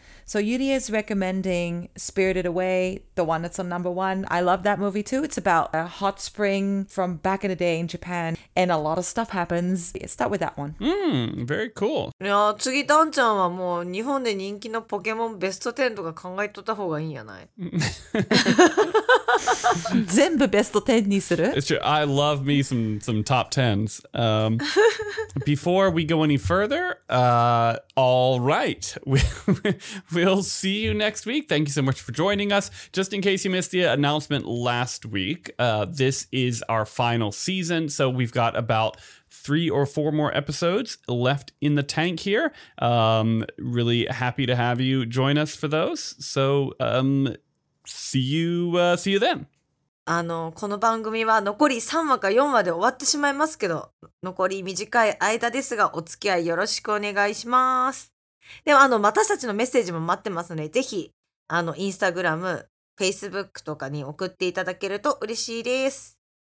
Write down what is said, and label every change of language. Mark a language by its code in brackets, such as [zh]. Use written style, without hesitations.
[en] So Yuri is recommending Spirited Away, the one that's on number one. I love that movie too. It's about a hot spring from back in the day in Japan, and a lot of stuff happens. Start with that one. Very cool. [ja] いや、次ダンちゃんはもう日本で人気のポケモンベスト10とか考えとった方がいいんやない？全部ベスト10にする？ [en] It's true. I love me some top 10s. before we go any further, all right. We'll see you next week. Thank you so much for joining us. Just in case you missed the announcement last week, this is our final season. So we've got about 3 or 4 more episodes left in the tank here. Really happy to have you join us for those. So see you then. [ja] あの、この番組は残り3話か4話で終わってしまいますけど、残り短い間ですが、お付き合いよろしくお願いします。でもあの私たちのメッセージも待ってますので、ぜひあのインスタグラム、フェイスブックとかに送っていただけると嬉しいです。